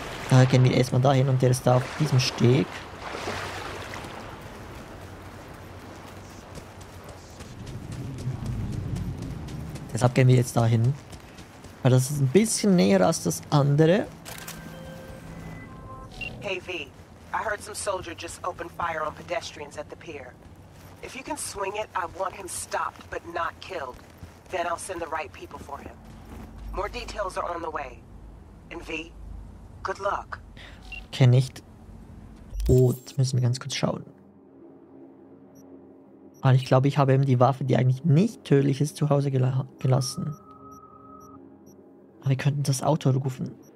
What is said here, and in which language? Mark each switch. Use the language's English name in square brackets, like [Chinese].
[German] Daher gehen wir erstmal dahin und der ist da auf diesem Steg. Deshalb gehen wir jetzt dahin. Weil das ist ein bisschen näher als das andere. [English] Hey V, I heard some soldier just opened fire on pedestrians at the pier. If you can swing it, I want him stopped but not killed. Then I'll send the right people for him. More details are on the way. And V, good luck. [German] Okay, nicht. Oh, jetzt müssen wir ganz kurz schauen. Ich glaube, ich habe eben die Waffe, die eigentlich nicht tödlich ist, zu Hause gelassen. Aber wir könnten das Auto rufen.